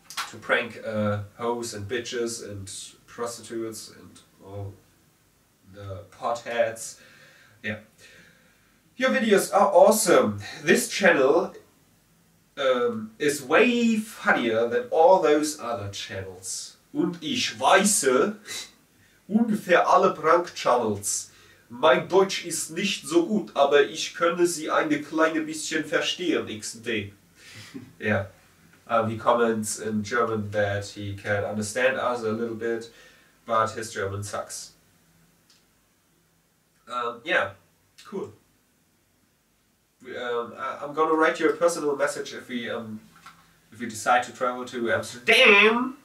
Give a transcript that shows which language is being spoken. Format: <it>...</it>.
<en>To prank hoes and bitches and prostitutes and all the potheads. Yeah. Your videos are awesome. This channel is way funnier than all those other channels.</en> <de>Und ich weiße ungefähr alle Prank-Channels. Mein Deutsch ist nicht so gut, aber ich könne sie ein kleine bisschen verstehen, XD.</de> <en>Yeah. He comments in German that he can understand us a little bit, but his German sucks. Yeah, cool. I'm gonna write you a personal message if we decide to travel to Amsterdam.</en>